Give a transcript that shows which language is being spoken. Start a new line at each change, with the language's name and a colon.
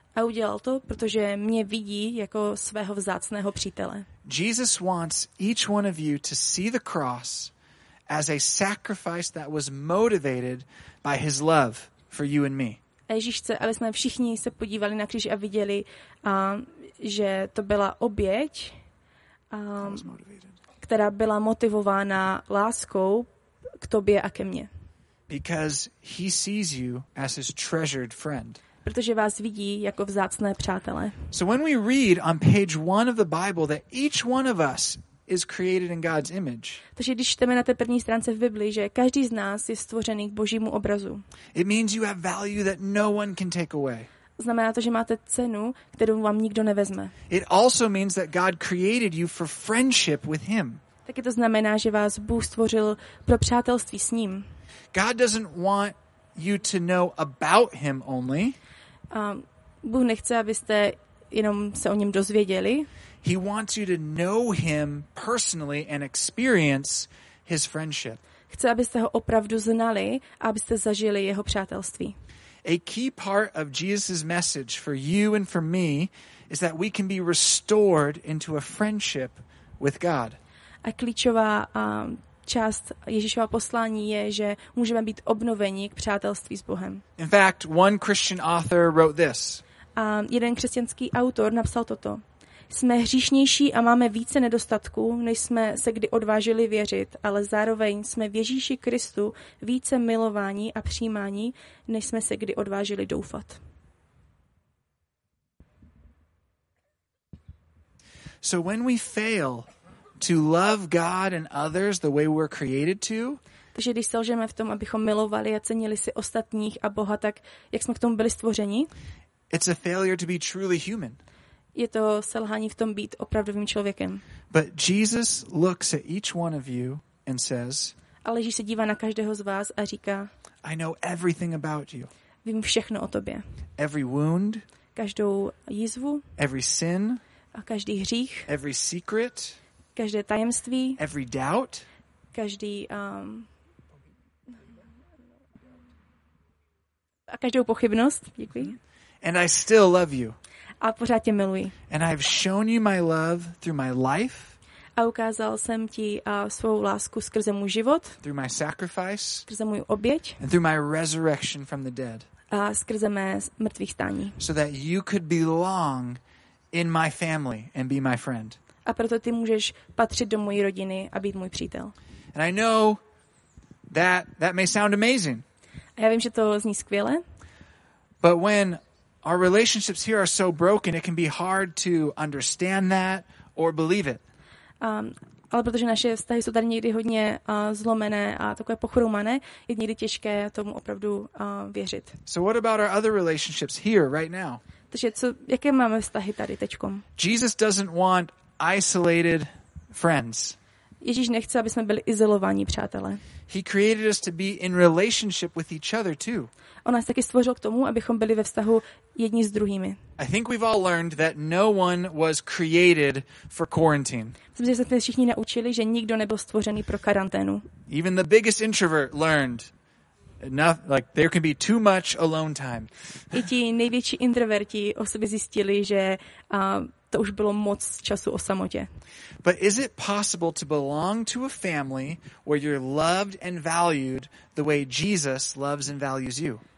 Czech: A udělal to, protože mě vidí jako svého vzácného přítele.
English: Jesus wants each one of you to see the cross as a sacrifice that was motivated by his love for you and me.
Czech: A Ježíš chce, aby jsme všichni se podívali na kříž a viděli, že to byla oběť, která byla motivována láskou k tobě a ke mně.
English: Because he sees you as his treasured friend.
Czech: Protože vás vidí jako vzácné přátele.
English: So when we read on page one of the Bible that each one of us is created in God's image.
Czech: Takže když čteme na té první stránce v Biblii, že každý z nás je stvořený k Božímu obrazu.
English: It means you have value that no one can take away.
Czech: Znamená to, že máte cenu, kterou vám nikdo nevezme.
English: It also means that God created you for friendship with him.
Czech: Taky to znamená, že vás Bůh stvořil pro přátelství s ním.
English: God doesn't want you to know about him only.
Czech: Bůh nechce, abyste jenom se o něm dozvěděli.
English: He wants you to know him personally and experience his friendship.
Czech: Chce, abyste ho opravdu znali, abyste zažili jeho přátelství.
English: A key part of Jesus' message for you and for me is that we can be restored into a friendship with God.
Czech: A klíčová část Ježíšova poslání je, že můžeme být obnoveni k přátelství s Bohem.
English: In fact, one Christian author wrote this.
Czech: A jeden křesťanský autor napsal toto. Jsme hříšnější a máme více nedostatků, než jsme se kdy odvážili věřit, ale zároveň jsme v Ježíši Kristu více milování a přijímání, než jsme se kdy odvážili doufat.
English: So when we fail to love God and others the way we're created to,
Czech: takže když selžeme v tom, abychom milovali a cenili si ostatních a Boha tak, jak jsme k tomu byli stvořeni,
English: it's a failure to be truly human.
Czech: Je to selhání v tom být opravdovým člověkem.
English: But Jesus looks at each one of you and says,
Czech: ale Ježíš se dívá na každého z vás a říká,
English: I know everything about you.
Czech: Vím všechno o tobě.
English: Every wound,
Czech: každou jizvu,
English: every sin,
Czech: a každý hřích,
English: every secret,
Czech: každé tajemství,
English: every doubt,
Czech: každý a každou pochybnost, děkuji.
English: And I still love you.
Czech: a pořád tě miluji.
English: And I've shown you my love through my life.
Czech: A ukázal jsem ti svou lásku skrze můj život.
English: Through my sacrifice.
Czech: Skrze můj oběť.
English: And through my resurrection from the dead.
Czech: A skrze mé mrtvých stání.
English: So that you could belong in my family and be my friend.
Czech: A proto ty můžeš patřit do mojí rodiny a být můj přítel.
English: And I know that may sound amazing.
Czech: A já vím, že to zní skvěle.
English: But when our relationships here are so broken, it can be hard to understand that or believe it.
Czech: Ale protože naše vztahy jsou tady někdy hodně zlomené a takové pochroumané, je někdy těžké tomu opravdu věřit.
English: So what about our other relationships here right now?
Czech: Takže jaké máme vztahy tady teďkom?
English: Jesus doesn't want isolated friends.
Czech: Ježíš nechce, aby jsme byli izolovaní přátelé.
English: He created us to be in relationship with each other too.
Czech: On nás taky stvořil k tomu, abychom byli ve vztahu jedni s druhými.
English: I think we've all learned that no one was created for quarantine.
Czech: Myslím, že jsme všichni naučili, že nikdo nebyl stvořený pro karanténu.
English: Even the biggest introvert learned enough, like there can be too much alone time.
Czech: I ti největší introverti o sobě zjistili, že to už bylo moc času o samotě.
English: But is it possible to belong to a family where you're loved and valued the way Jesus loves and values you?